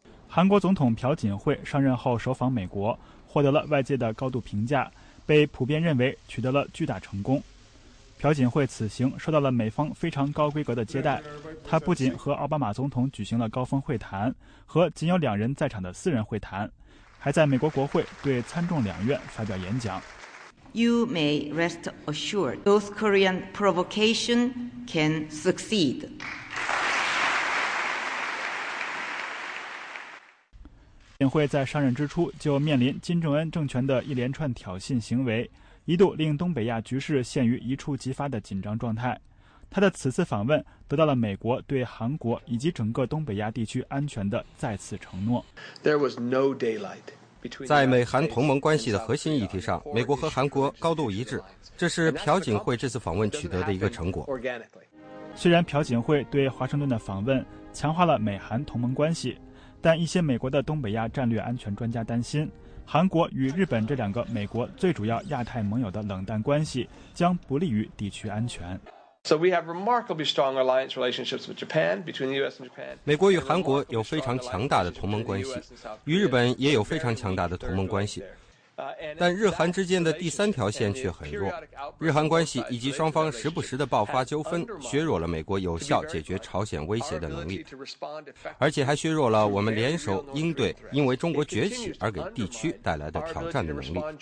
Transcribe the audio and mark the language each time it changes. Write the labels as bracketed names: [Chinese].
[Chinese] 韩国总统朴槿惠上任后首访美国，获得了外界的高度评价，被普遍认为取得了巨大成功。朴槿惠此行受到了美方非常高规格的接待，他不仅和奥巴马总统举行了高峰会谈和仅有两人在场的私人会谈，还在美国国会对参众两院发表演讲。 [English] You may rest assured, North Korean provocation can succeed. [Chinese] 朴槿惠在上任之初就面临金正恩政权的一连串挑衅行为，一度令东北亚局势陷于一触即发的紧张状态。他的此次访问得到了美国对韩国以及整个东北亚地区安全的再次承诺。在美韩同盟关系的核心议题上，美国和韩国高度一致，这是朴槿惠这次访问取得的一个成果。虽然朴槿惠对华盛顿的访问强化了美韩同盟关系，但一些美国的东北亚战略安全专家担心，韩国与日本这两个美国最主要亚太盟友的冷淡关系将不利于地区安全。 [English] So we have remarkably strong alliance relationships with Japan, between the U.S. and Japan. [Chinese] 美国与韩国有非常强大的同盟关系，与日本也有非常强大的同盟关系。但日韩之间的第三条线却很弱，日韩关系以及双方时不时的爆发纠纷削弱了美国有效解决朝鲜威胁的能力，而且还削弱了我们联手应对因为中国崛起而给地区带来的挑战的能力。